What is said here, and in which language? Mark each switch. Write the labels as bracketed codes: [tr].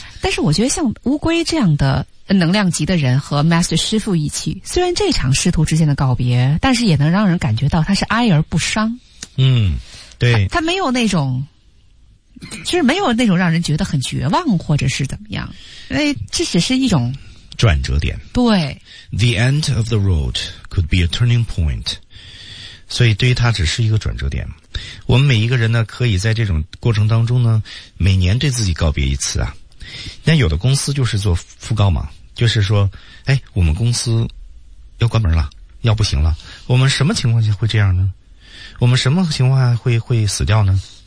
[zh] 但是我觉得像乌龟这样的能量级的人和 Master 师傅一起，虽然这场师徒之间的告别，但是也能让人感觉到他是哀而不伤。嗯，对，他没有那种，其实没有那种让人觉得很绝望或者是怎么样，因为这只是一种转折点。对， [en] The end of the road could be a turning point. [zh] 所以对于它只是一个转折点。我们每一个人呢，可以在这种过程当中呢，每年对自己告别一次啊。那有的公司就是做讣告嘛，就是说，哎，我们公司要关门了，要不行了。我们什么情况下会这样呢？我们什么情况下会死掉呢？